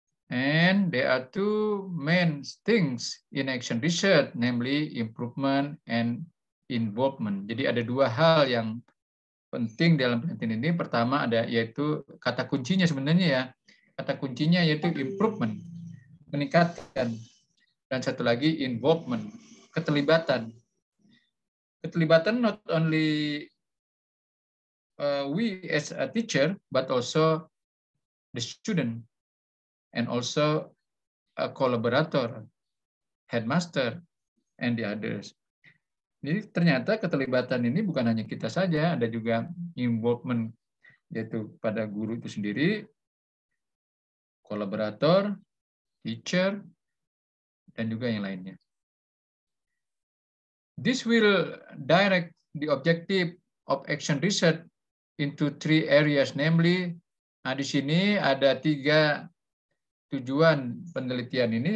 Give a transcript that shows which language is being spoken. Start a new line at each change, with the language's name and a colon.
English: And there are two main things in action research, namely improvement and involvement.
Indonesian: Jadi ada dua hal yang penting dalam penelitian ini. Pertama ada yaitu kata kuncinya sebenarnya ya. Kata kuncinya yaitu improvement, meningkatkan. Dan satu lagi involvement, keterlibatan.
English: Keterlibatan not only we as a teacher, but also the student, and also a collaborator, headmaster, and the others.
Indonesian: Jadi ternyata keterlibatan ini bukan hanya kita saja, ada juga involvement, yaitu pada guru itu sendiri, collaborator, teacher, dan juga yang lainnya.
English: This will direct the objective of action research into three areas, namely,
Indonesian: nah di sini ada tiga tujuan penelitian ini.